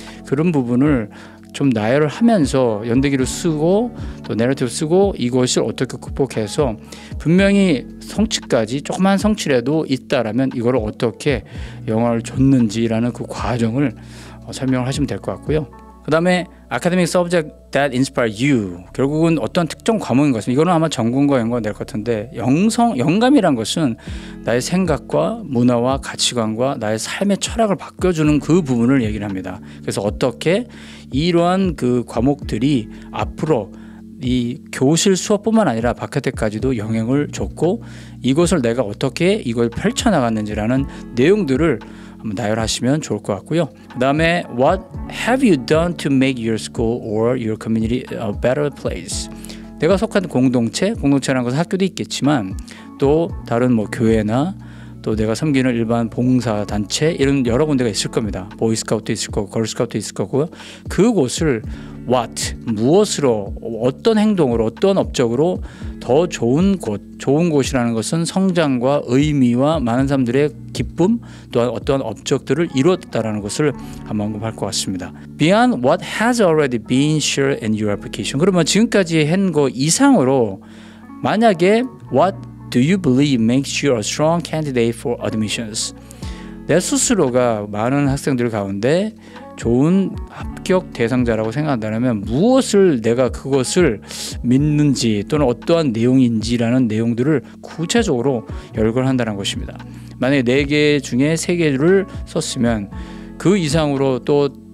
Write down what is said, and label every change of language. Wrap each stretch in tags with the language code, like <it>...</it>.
<ko>그런 부분을 좀 나열을 하면서 연대기를 쓰고 또 내러티브 쓰고 이것을 어떻게 극복해서 분명히 성취까지 조그만 성취라도 있다라면 이걸 어떻게 영향을 줬는지라는 그 과정을 설명을 하시면 될 것 같고요. 그 다음에</ko> <en>academic subject that inspire you.</en> <ko>결국은 어떤 특정 과목인 것은 이거는 아마 전공과 연관이 될 것 같은데 영감이란 것은 나의 생각과 문화와 가치관과 나의 삶의 철학을 바꿔주는 그 부분을 얘기를 합니다. 그래서 어떻게 이러한 그 과목들이 앞으로 이 교실 수업뿐만 아니라 바깥에까지도 영향을 줬고 이것을 내가 어떻게 이걸 펼쳐나갔는지라는 내용들을 한번 나열하시면 좋을 것 같고요.</ko> <en>그 다음에 What have you done to make your school or your community a better place?</en> <ko>내가 속한 공동체, 공동체라는 것은 학교도 있겠지만 또 다른 뭐 교회나 또 내가 섬기는 일반 봉사 단체 이런 여러 군데가 있을 겁니다. 보이스카우트 있을 거고 걸스카우트 있을 거고요. 그곳을 What, 무엇으로, 어떤 행동으로, 어떤 업적으로 더 좋은 곳, 좋은 곳이라는 것은 성장과 의미와 많은 사람들의 기쁨 또한 어떤 업적들을 이루었다라는 것을 한번 언급할 것 같습니다.</ko> <en>Beyond what has already been shared in your application.</en> <ko>그러면 지금까지 한 거 이상으로 만약에</ko> <en>What do you believe makes you a strong candidate for admissions?</en> <ko>내 스스로가 많은 학생들 가운데 좋은 합격 대상자라고 생각한다면 무엇을 내가 그것을 믿는지 또는 어떠한 내용인지라는 내용들을 구체적으로 열거한다는 것입니다. 만약에 4개 중에 3개를 썼으면 그 이상으로 또</ko>